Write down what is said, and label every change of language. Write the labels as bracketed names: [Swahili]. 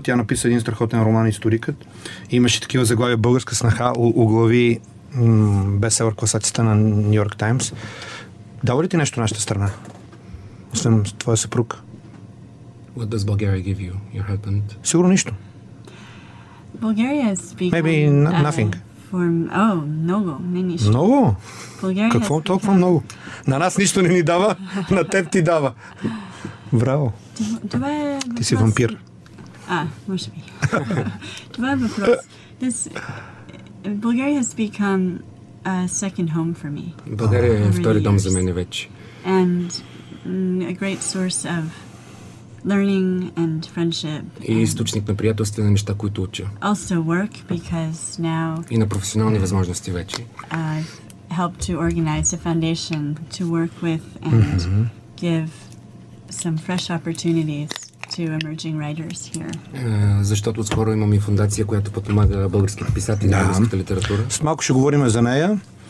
[Bulgarian] Тя написа един страхотен роман «Историкът». Имаше такива заглавия «Българска снаха» оглави бестселър класацията на Нью Йорк Таймс. Дава ли ти нещо нашата страна? Освен твоя съпруг. [English] What does Bulgaria give you, your husband? [Bulgarian] Сигурно нищо. [English] Bulgaria is speaking... Maybe nothing. [Bulgarian] Много. Много? Какво толкова много? На нас нищо не ни дава, на теб ти дава. Браво. Това е ти си вампир. Може би. Това е въпрос. [English] Bulgaria has become a second home for me. [Bulgarian] България е втори дом за мен вече. [English] And a great source of learning and friendship. [Bulgarian] И източник на приятелства, на неща, които уча. [English] Also work because now [Bulgarian] и на професионални възможности вече. [English] Help to organize a foundation to work with and give some fresh opportunities to emerging writers here. [Bulgarian] Защото отскоро имам и фондация, която подпомага българските писатели и българската литература. С малко ще говорим за нея.